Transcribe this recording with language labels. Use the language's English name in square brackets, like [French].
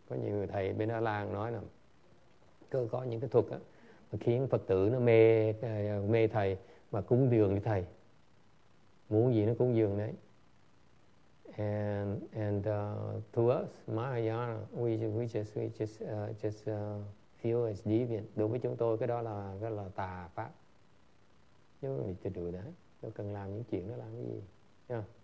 [Vietnamese] Có những người thầy bên Đà Lạt nói là, cứ có những cái thuật đó, khiến Phật tử nó mê thầy và cúng dường với thầy, muốn gì nó cúng dường đấy. [English] And to us, Mahayana, we just feel it's deviant. [Vietnamese] Đối với chúng tôi, cái đó là tà pháp. [English] You don't need to do that. [Vietnamese] Đâu cần làm những chuyện đó làm cái gì. Yeah.